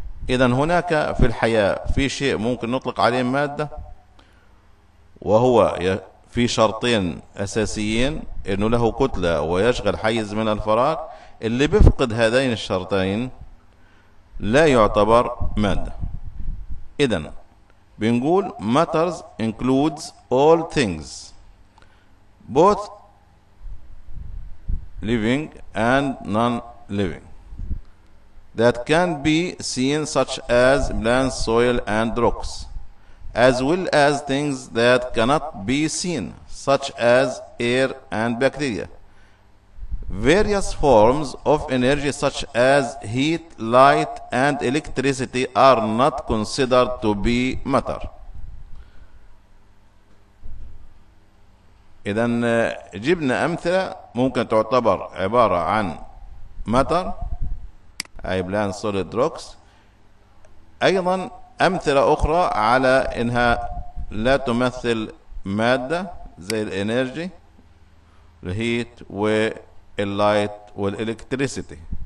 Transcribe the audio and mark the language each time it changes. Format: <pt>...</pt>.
<ar>إذن هناك في الحياة في شيء ممكن نطلق عليه مادة، وهو في شرطين أساسيين، إنه له كتلة ويشغل حيز من الفراغ. اللي بيفقد هذين الشرطين لا يعتبر مادة. إذن بنقول</ar> <en>matters includes all things both living and non-living that can be seen such as land, soil and rocks as well as things that cannot be seen such as air and bacteria. Various forms of energy such as heat, light and electricity are not considered to be matter.</en> <ar>إذن جبنا أمثلة ممكن تعتبر عبارة عن matter، أي بلان</ar> <en>solid rocks.</en> <ar>أيضا أمثلة أخرى على إنها لا تمثل مادة زي الانرجي، الهيت و اللايت والإلكتريسيتي.</ar>